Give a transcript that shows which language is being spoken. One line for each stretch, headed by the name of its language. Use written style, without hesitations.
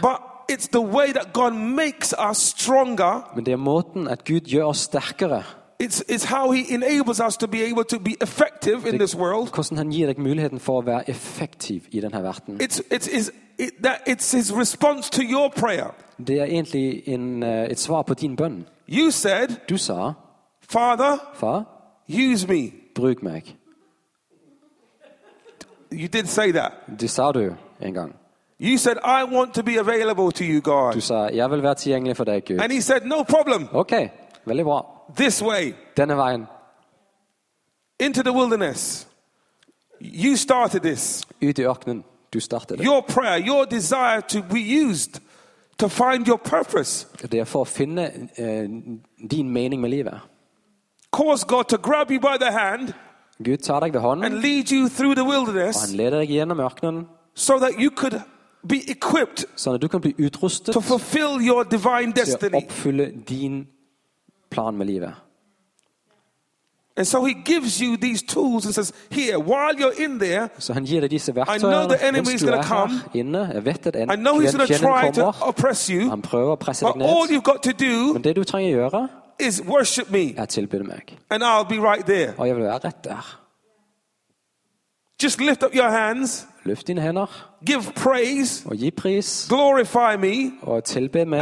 English: But it's the way that God makes us stronger.
Norwegian: Men det måten at Gud gjør oss sterkere.
English: It's how he enables us to be able to be effective in this world.
Norwegian: Hvordan han gir deg muligheten for å være effektiv I denne verden.
English: It's his response to your prayer.
Norwegian: Det egentlig et svar på din bønn.
English: You said,
Norwegian: du sa,
English: Father,
Norwegian: fa,
English: use me.
Norwegian: Brug meg.
English: You did say that.
Norwegian: Det sa du en gang.
English: You said, I want to be available to you, God.
Norwegian: Du sa, jeg vil være tilgjengelig for deg, Gud.
English: And he said, no problem.
Norwegian: Okay, veldig bra.
English: This way.
Norwegian: Denne veien.
English: Into the wilderness. You started this.
Norwegian: Ut i ørkenen. Du startet det.
English: Your prayer, your desire to be used to find your purpose.
Norwegian: Det er for å finne din mening med livet.
English: Cause God to grab you by the hand.
Norwegian: Gud tar deg ved hånden.
English: And lead you through the wilderness.
Norwegian: Og han leder deg gjennom ørkenen.
English: So that you could be equipped.
Norwegian: Sånn at du kan bli utrustet.
English: To fulfill your divine destiny.
Norwegian: Til å oppfylle din plan med livet.
English: And so he gives you these tools and says, here, while you're in there,
Norwegian: so han gir deg disse verktøyene,
English: I know the enemy is going to come.
Norwegian: Inne, jeg vet at en,
English: I know he's going to try to oppress you.
Norwegian: Han prøver å presse deg ned.
English: But all you've got to do
Norwegian: det du trenger gjøre,
English: is worship me.
Norwegian: Er tilbyde meg.
English: And I'll be right there.
Norwegian: Og jeg vil være rett der.
English: Just lift up your hands.
Norwegian: Løft dine hender.
English: Give praise.
Norwegian: Og gi pris.
English: Glorify me.
Norwegian: Og tilbe meg.